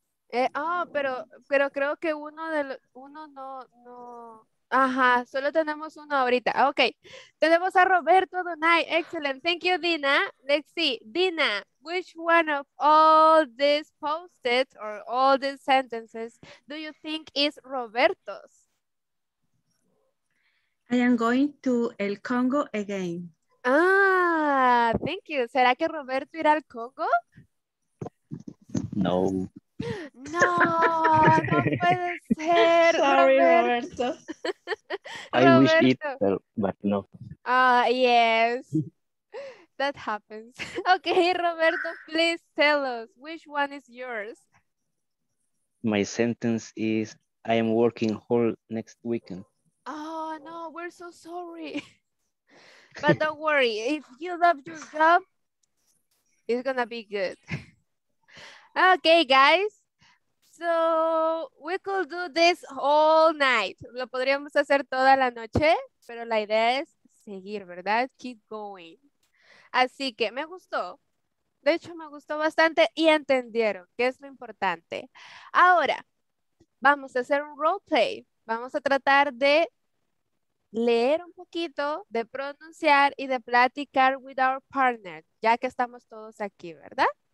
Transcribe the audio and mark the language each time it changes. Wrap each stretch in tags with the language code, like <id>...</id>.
<es>Pero creo que ajá, solo tenemos uno ahorita.</es> <en>Okay,</en> <es>tenemos a Roberto Donay.</es> <en>Excellent, thank you, Dina. Let's see, Dina, which one of all these posted or all these sentences do you think is Roberto's? I am going to El Congo again. Thank you.</en> <es>¿Será que Roberto irá al Congo? No. No, no puede ser.</es> <en>Sorry, Roberto. I Roberto. Wish it, but no. Yes. That happens. Okay, Roberto, please tell us which one is yours. My sentence is I am working whole next weekend. Oh, no, we're so sorry. But don't worry, if you love your job, it's gonna be good. Okay, guys, so we could do this all night.</en> <es>Lo podríamos hacer toda la noche, pero la idea es seguir, ¿verdad?</es> <en>Keep going.</en> <es>Así que me gustó. De hecho, me gustó bastante y entendieron que es lo importante. Ahora, vamos a hacer un role play. Vamos a tratar de leer un poquito, de pronunciar y de platicar</es> <en>with our partner,</en> <es>ya que estamos todos aquí, ¿verdad?</es>